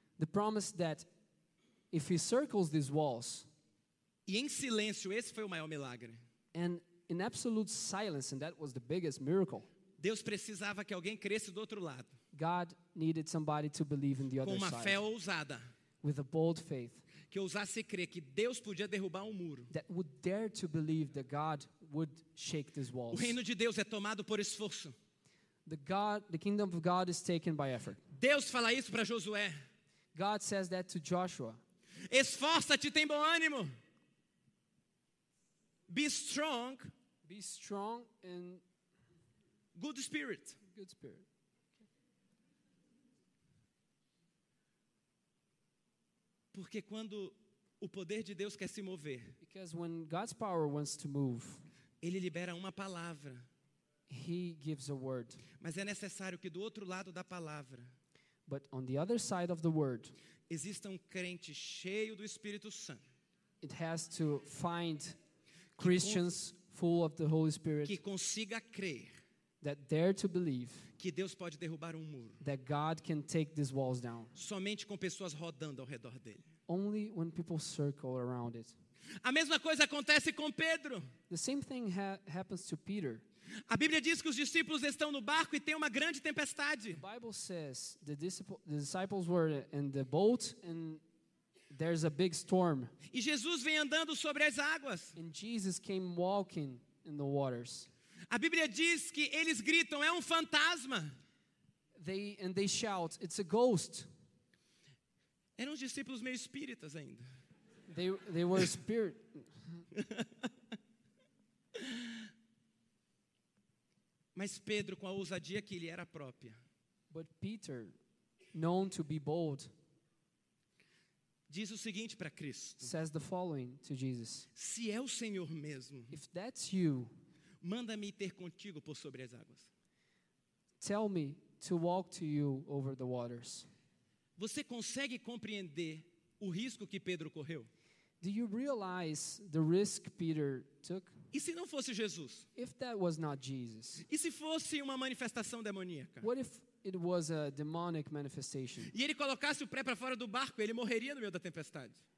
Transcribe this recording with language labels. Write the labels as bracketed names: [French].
[English] The promise that if he circles these walls. [Portuguese] E em silêncio, esse foi o maior milagre. [English] And in absolute silence, and that was the biggest miracle. [Portuguese] Deus precisava que alguém cresce do outro lado. [English] God needed somebody to believe in the other side. [Portuguese] Com uma Fé ousada. [English] With a bold faith. [Portuguese] Que ousasse crer que Deus podia derrubar um muro. [English] That would dare to believe that God would shake these walls. [Portuguese] O reino de Deus é tomado por esforço. [English] The kingdom of God is taken by effort. [Portuguese] Deus fala isso para Josué. [English] God says that to Joshua. [Portuguese] Esforça-te, tem bom ânimo. [English] Be strong. Be strong and good spirit. Good spirit. [Portuguese] Porque quando o poder de Deus quer se mover, [English] because when God's power wants to move, [Portuguese] ele libera uma palavra. [English] He gives a word. [Portuguese] Mas é necessário que do outro lado da palavra, [English] but on the other side of the word, [Portuguese] exista um crente cheio do Espírito Santo. [English] It has to find Christians full of the Holy Spirit, [Portuguese] que consiga crer, [English] that dare to believe, [Portuguese] que Deus pode derrubar um muro, [English] that God can take these walls down, [Portuguese] somente com pessoas rodando ao redor dele, [English] only when people circle around it. [Portuguese] A mesma coisa acontece com Pedro. [English] The same thing happens to Peter. [Portuguese] A Bíblia diz que os discípulos estão no barco e tem uma grande tempestade. [English] The Bible says the disciples were in the boat and there's a big storm. [Portuguese] E Jesus vem andando sobre as águas. [English] And Jesus came walking in the waters. [Portuguese] A Bíblia diz que eles gritam, é um fantasma. [English] They shout, it's a ghost. [Portuguese] Eram os discípulos meio espíritas ainda. [English] They were spirit. [Portuguese] Mas Pedro, com a ousadia que lhe era própria. [English] But Peter, known to be bold, [Portuguese] diz o seguinte para Cristo. [English] Says the following to Jesus. [Portuguese] Se é o Senhor mesmo, [English] if that's you, [Portuguese] manda-me ter contigo por sobre as águas. [English] Tell me to walk to you over the waters. [Portuguese] Você consegue compreender o risco que Pedro correu? [English] Do you realize the risk Peter took? [Portuguese] E se não fosse Jesus? [English] If that was not Jesus. [Portuguese] E se fosse uma manifestação demoníaca? [English] What if it was a demonic manifestation? [Portuguese] E ele colocasse o pé para fora do barco, ele morreria no meio da tempestade.